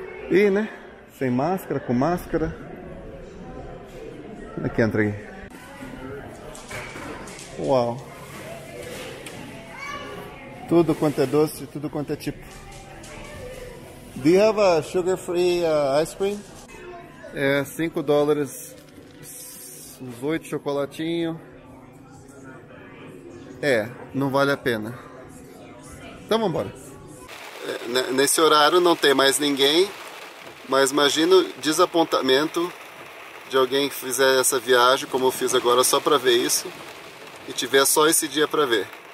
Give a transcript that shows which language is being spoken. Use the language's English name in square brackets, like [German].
[Portuguese] E, né? Sem máscara, com máscara. Como é que entra aqui? Uau! Tudo quanto é doce, tudo quanto é tipo. [English] Do you have a sugar-free ice cream? [Portuguese] É 5 dólares, uns 8 chocolatinho. É, não vale a pena. Então vambora. Nesse horário não tem mais ninguém, mas imagino desapontamento de alguém que fizer essa viagem, como eu fiz agora, só para ver isso, e tiver só esse dia para ver.